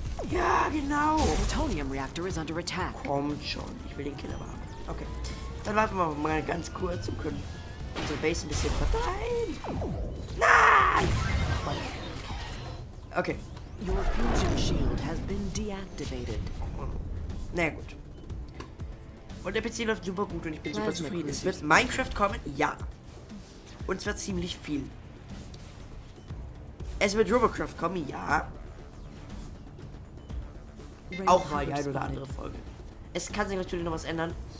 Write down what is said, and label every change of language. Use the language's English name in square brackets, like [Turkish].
[German] Ja, genau. Der Plutonium Reactor ist unter Attack. Komm schon, ich will den Killer haben. Okay. Dann warten wir mal ganz kurz und können unsere Base ein bisschen verteilen. Nein! Okay. [English] Your fusion shield has been deactivated. [German] Na ja, gut. Und der PC läuft super gut und ich bin super zufrieden. Es wird Minecraft kommen? Ja. Und zwar ziemlich viel. Es wird Robocraft kommen? Ja. Auch mal die eine oder andere Folge. Es kann sich natürlich noch was ändern.